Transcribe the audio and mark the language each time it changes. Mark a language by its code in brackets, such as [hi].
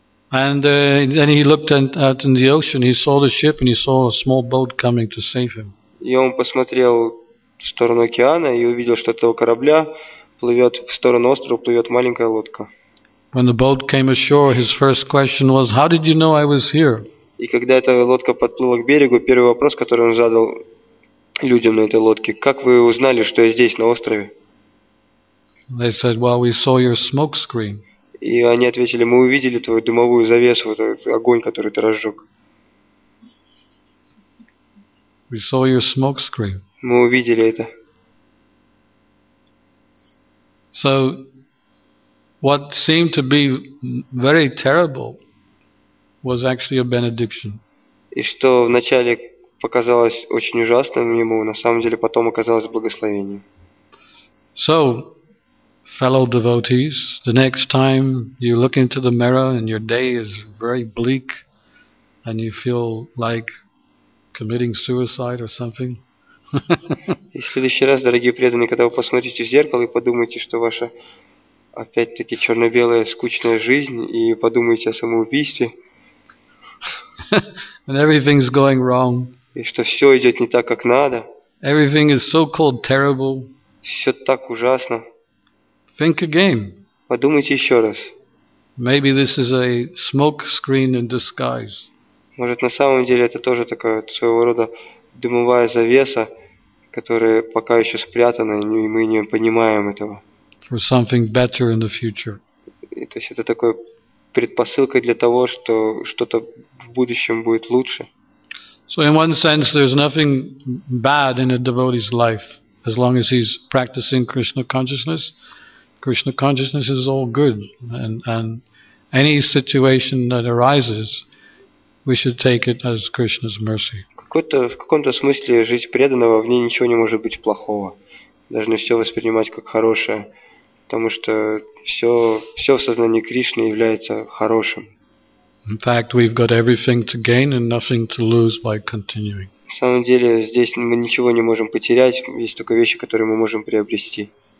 [en] And then he looked out in the ocean. He saw the ship, and he saw a small boat coming to save him. [ru] И он посмотрел в сторону океана и увидел, что от этого корабля плывет в сторону острова плывет маленькая лодка. [en] When the boat came ashore, his first question was, "How did you know I was here?" [ru] И когда эта лодка подплыла к берегу, первый вопрос, который он задал людям на этой лодке, как вы узнали, что я здесь на острове? [en] They said, "Well, we saw your smoke screen." [ru] И они ответили: "Мы увидели твою дымовую завесу, вот этот огонь, который ты разжег." [en] We saw your smoke screen. [ru] Мы увидели это. [en] So, what seemed to be very terrible was actually a benediction. [ru] И что вначале показалось очень ужасным ему, на самом деле потом оказалось благословением. [en] So. Fellow devotees, the next time you look into the mirror and your day is very bleak and you feel like committing suicide or something. [ru] И в следующий раз, дорогие преданные, когда вы посмотрите в зеркало и подумаете, что ваша опять-таки черно-белая скучная жизнь и подумаете о самоубийстве. [en] And everything's going wrong. [ru] И что все идет не так, как надо. [en] Everything is so-called terrible. [ru] Все так ужасно. [en] Think again. [ru] Подумайте еще раз. [en] Maybe this is a smoke screen in disguise. [ru] Может, на самом деле это тоже такая своего рода дымовая завеса, которая пока еще спрятана, и мы не понимаем этого. [en] For something better in the future. [ru] И, то есть это такое предпосылка для того, что что-то в будущем будет лучше. [en] So in one sense, there's nothing bad in a devotee's life as long as he's practicing Krishna consciousness. Krishna consciousness is all good, and any situation that arises, we should take it as Krishna's mercy. [ru] В каком-то смысле жизнь преданного, в ней ничего не может быть плохого. Должны все воспринимать как хорошее, потому что все в сознании Кришны является хорошим. [en] In fact, we've got everything to gain and nothing to lose by continuing. [ru] На самом деле здесь мы ничего не можем потерять, есть только вещи, которые мы можем приобрести.